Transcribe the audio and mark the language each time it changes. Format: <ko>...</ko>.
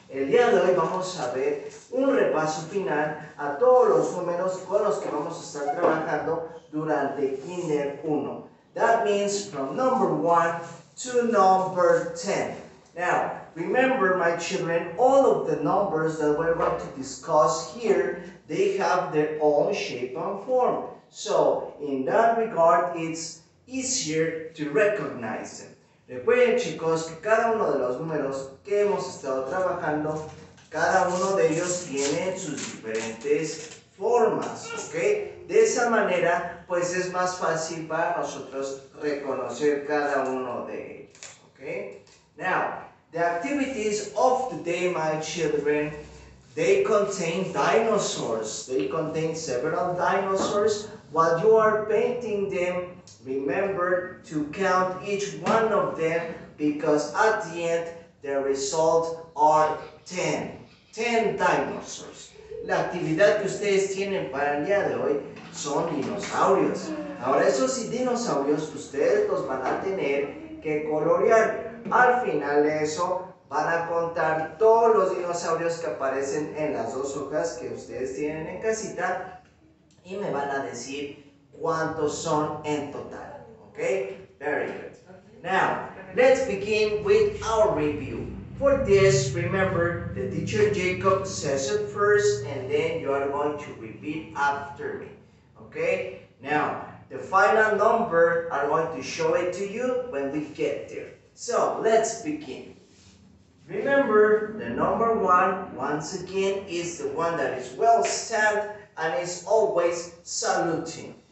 <es>El día de hoy vamos a ver un repaso final a todos los números con los que vamos a estar trabajando durante Kinder 1.</es> <en>That means from number 1 to number 10. Now, remember, my children, all of the numbers that we're going to discuss here, they have their own shape and form. So, in that regard, it's easier to recognize them.</en> <es>Recuerden, chicos, que cada uno de los números que hemos estado trabajando, cada uno de ellos tiene sus diferentes formas, ¿ok? De esa manera, pues es más fácil para nosotros reconocer cada uno de ellos, ¿ok?</es> <en>Now, the activities of the day, my children, they contain dinosaurs. They contain several dinosaurs. While you are painting them, remember to count each one of them because at the end, the result are 10. 10 dinosaurs.</en> <es>La actividad que ustedes tienen para el día de hoy son dinosaurios. Ahora, esos dinosaurios, ustedes los van a tener que colorear. Al final de eso, van a contar todos los dinosaurios que aparecen en las dos hojas que ustedes tienen en casita y me van a decir cuántos son en total, ¿ok?</es> <en>Very good. Now, let's begin with our review. For this, remember, the teacher Jacob says it first and then you are going to repeat after me, ¿ok? Now, the final number, I'm going to show it to you when we get there. So, let's begin. Remember, the number one, once again, is the one that is well stand and is always saluting.</en>